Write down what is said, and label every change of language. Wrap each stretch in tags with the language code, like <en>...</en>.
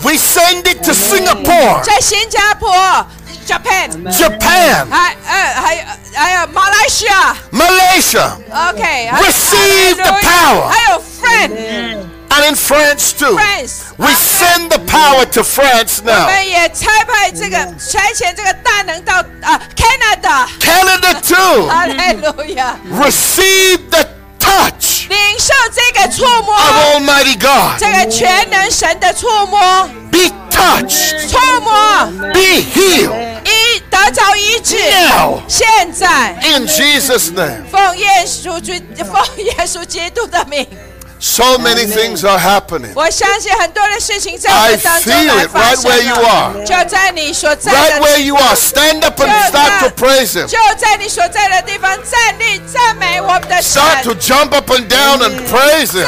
<en>We send it to Singapore.</en> <zh>在新加坡 ，Japan.</zh> <en>Japan.</en> <zh>还有马来西亚。</zh> <en>Malaysia. Okay. Receive the power.</en> <zh>还有 France.</zh> <en>And in France too. France. We send the power to France now.</en> <zh>我们也差派这个差遣这个大能到Canada.</zh> <en>Canada too. Hallelujah. Receive the touch.</en> <zh>领受这个触摸</zh> <en>of Almighty God</en> <zh>这个全能神的触摸</zh> <en>Be touched</en> <zh>触摸</zh> <en>Be healed</en> <zh>得着医治</zh> <en>Now</en> <zh>现在</zh> <en>In Jesus' name</en> <zh>奉耶稣基督的名</zh> <en>So many things are happening.</en> <zh>我相信很多的事情在我们当中来发生了。</zh> <en>I feel it right where you are.</en> <zh>就在你所在的地方。</zh> <en>Right where you are, stand up and start to praise Him.</en> <zh>就在你所在的地方站立赞美我们的神。</zh> <en>Start to jump up and down and praise Him.</en>